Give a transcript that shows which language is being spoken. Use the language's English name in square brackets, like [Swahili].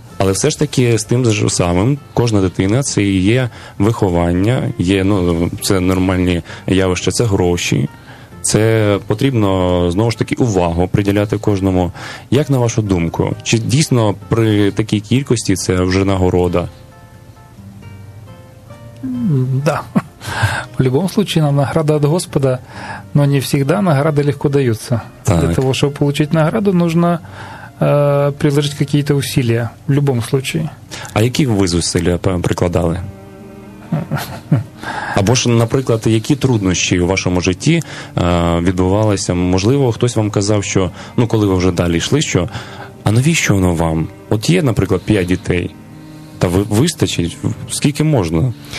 [Ukrainian] Але все ж таки з тим же самим, кожна дитина – це і є виховання, є, ну, це нормальні явища, це гроші, це потрібно, знову ж таки, увагу приділяти кожному. Як на вашу думку, чи дійсно при такій кількості це вже нагорода? [Russian] Да. В любом случае, нам награда от Господа, но не всегда награды легко даются. Так. Для того, чтобы получить награду, нужно приложить какие-то усилия, в любом случае. [Ukrainian] А які ви зусилля прикладали? Або ж, наприклад, які труднощі у вашому житті відбувалися? Можливо, хтось вам казав, що, ну, коли ви вже далі йшли, що, а навіщо воно вам? От є, наприклад, 5 дітей, та вистачить, скільки можна?